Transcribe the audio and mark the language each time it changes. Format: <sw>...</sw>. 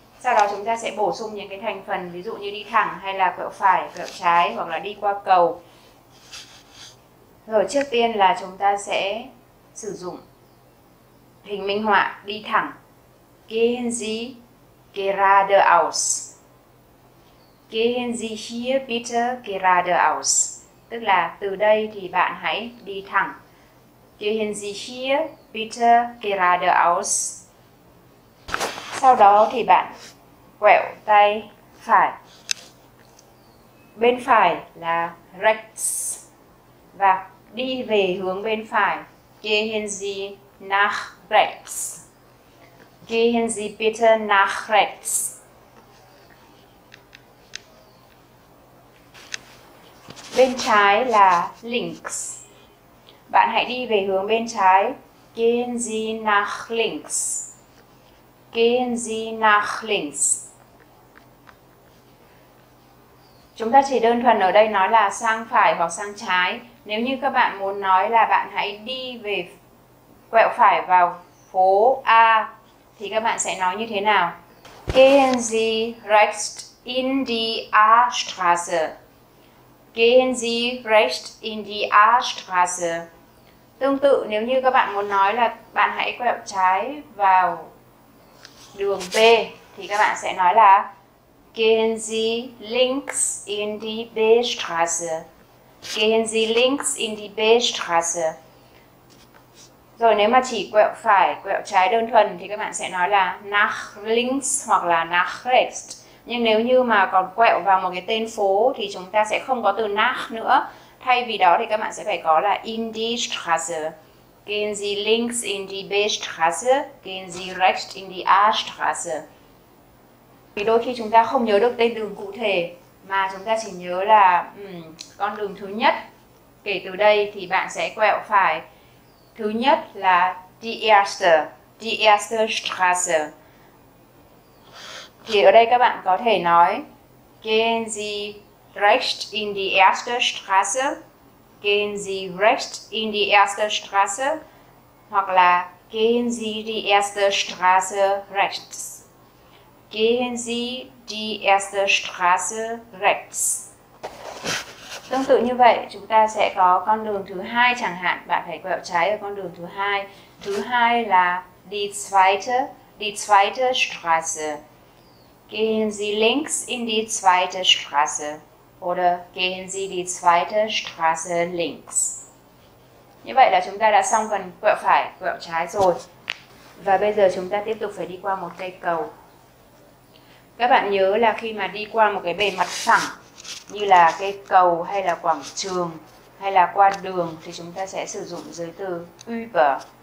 <vi>Sau đó chúng ta sẽ bổ sung những cái thành phần ví dụ như đi thẳng hay là quẹo phải, quẹo trái hoặc là đi qua cầu. Rồi trước tiên là chúng ta sẽ sử dụng hình minh họa đi thẳng.</vi> <de>Gehen Sie geradeaus. Gehen Sie hier bitte geradeaus.</de> <vi>Tức là từ đây thì bạn hãy đi thẳng.</vi> <de>Gehen Sie hier bitte geradeaus.</de> <vi>Sau đó thì bạn quẹo tay phải. Bên phải là rechts. Và đi về hướng bên phải.</vi> <de>Gehen Sie nach rechts. Gehen Sie bitte nach rechts.</de> <vi>Bên trái là links. Bạn hãy đi về hướng bên trái.</vi> <de>Gehen Sie nach links. Gehen Sie nach links.</de> <vi>Chúng ta chỉ đơn thuần ở đây nói là sang phải hoặc sang trái. Nếu như các bạn muốn nói là bạn hãy đi về quẹo phải vào phố A thì các bạn sẽ nói như thế nào?</vi> <de>Gehen Sie rechts in die A-Straße. Gehen Sie rechts in die A-Straße.</de> <vi>Tương tự, nếu như các bạn muốn nói là bạn hãy quẹo trái vào đường B thì các bạn sẽ nói là</vi> <de>Gehen Sie links in die B-Straße. Gehen Sie links in die B-Straße.</de> <vi>Rồi nếu mà chỉ quẹo phải, quẹo trái đơn thuần thì các bạn sẽ nói là</vi> <de>nach links</de> <vi>hoặc là</vi> <de>nach rechts.</de> <vi>Nhưng nếu như mà còn quẹo vào một cái tên phố thì chúng ta sẽ không có từ nach nữa. Thay vì đó thì các bạn sẽ phải có là</vi> <de>in die Straße. Gehen Sie links in die B Straße. Gehen Sie rechts in die A Straße.</de> <vi>Vì đôi khi chúng ta không nhớ được tên đường cụ thể mà chúng ta chỉ nhớ là con đường thứ nhất. Kể từ đây thì bạn sẽ quẹo phải. Thứ nhất là</vi> <de>die erste Straße.</de> <vi>Thì ở đây các bạn có thể nói</vi> <de>Gehen Sie rechts in die erste Straße. Gehen Sie rechts in die erste Straße.</de> <vi>Hoặc là</vi> <de>Gehen Sie die erste Straße rechts. Gehen Sie die erste Straße rechts.</de> <vi>Tương tự như vậy, chúng ta sẽ có con đường thứ hai chẳng hạn. Bạn phải quẹo trái ở con đường thứ hai. Thứ hai là</vi> <de>die zweite Straße. Gehen Sie links in die zweite Straße. Oder gehen Sie die zweite Straße links.</de> <vi>Như vậy là chúng ta đã xong phần quẹo phải, quẹo trái rồi. Và bây giờ chúng ta tiếp tục phải đi qua một cây cầu. Các bạn nhớ là khi mà đi qua một cái bề mặt phẳng như là cây cầu hay là quảng trường hay là qua đường thì chúng ta sẽ sử dụng giới từ über.</vi>